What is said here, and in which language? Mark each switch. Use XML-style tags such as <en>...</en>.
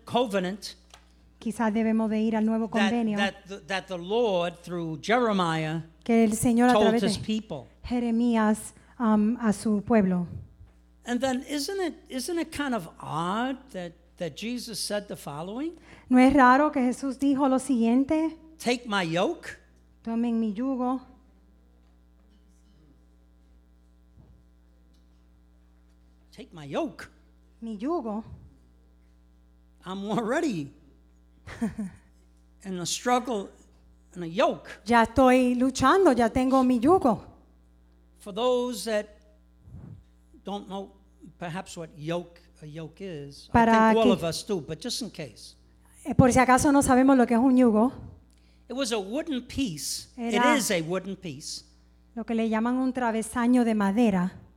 <es>Quizás debemos de ir al nuevo convenio.</es> <en>That the Lord through Jeremiah</en> <es>que el Señor</es> <en>told</en> <es>a través</es> <en>his people.</en> <es>Jeremías a su pueblo.</es> <en>And then isn't it kind of odd that Jesus said the following?</en> <es>¿No es raro que Jesús dijo lo siguiente?</es> <en>Take my yoke.</en> <es>Tomen mi yugo.</es> <en>Take my yoke.</en> <es>Mi yugo.</es> <en>I'm already in a struggle and a yoke.</en> <es>Ya estoy luchando, ya tengo mi yugo.</es> <en>For those that don't know perhaps what yoke a yoke is,</en> <es>para</es> <en>I think all of us do, but just in case.</en> <es>Por si acaso no sabemos lo que es un yugo.</es> <en>It was a wooden piece. It is a wooden piece.</en> <es>Lo que le llaman un travesaño de madera.</es>